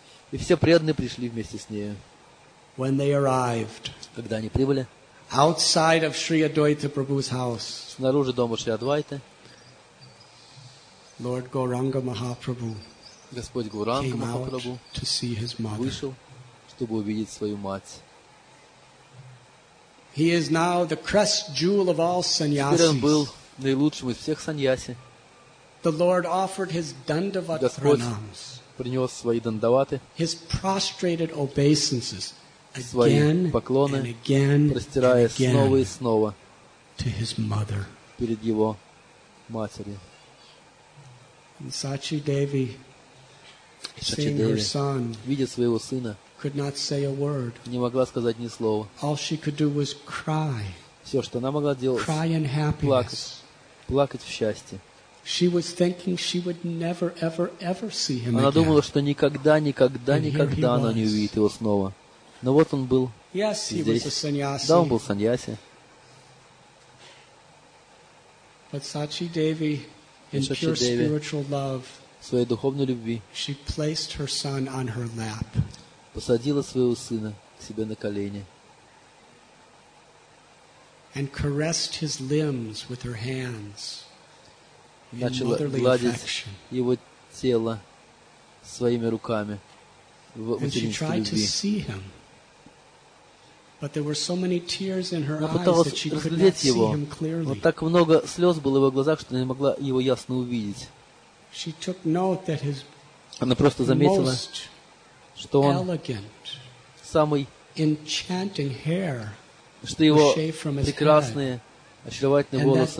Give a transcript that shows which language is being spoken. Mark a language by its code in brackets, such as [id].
[ru] И все преданные пришли вместе с нею. Когда они прибыли снаружи дома Шри Адвайты, [en] Lord Gauranga Mahaprabhu came out to see his mother. [ru] Вышел, чтобы увидеть свою мать. [en] He is now the crest jewel of all sannyasis. [ru] Теперь он был наилучшим из всех саньяси. [en] The Lord offered his dandavat pranams. [ru] Принес свои дандаваты. [en] His prostrated obeisances again and again, [ru] простирая снова и снова [en] to his mother. [ru] Перед его матерью. [en] And Sachi Devi, seeing her son, [ru] видя своего сына, [en] could not say a word. [ru] Не могла сказать ни слова. [en] All she could do was cry. [ru] Все, что она могла делать, [en] cry in happiness. [ru] Плакать в счастье. [en] She was thinking she would never, ever, ever see him [ru] она [en] again. [ru] Думала, что никогда, никогда, and никогда она не увидит его снова. Но вот он был [en] yes, [ru] здесь. [en] He was a sannyasi. [ru] Да, он был саньяси. [en] But Sachi Devi, in pure spiritual love, [ru] своей духовной любви, [en] she placed her son on her lap. [ru] Посадила своего сына к себе на колени. [en] And caressed his limbs with her hands. [ru] Начала гладить его тело своими руками в материнской любви. [en] And she tried to see him. But there were so many tears in her eyes that she could not see him clearly. [ru] Вот так много слёз было в её глазах, что не могла его ясно увидеть. [en] She took note that his [ru] Она просто заметила, что он самый [en] enchanting hair, [ru] что его прекрасные очаровательные волосы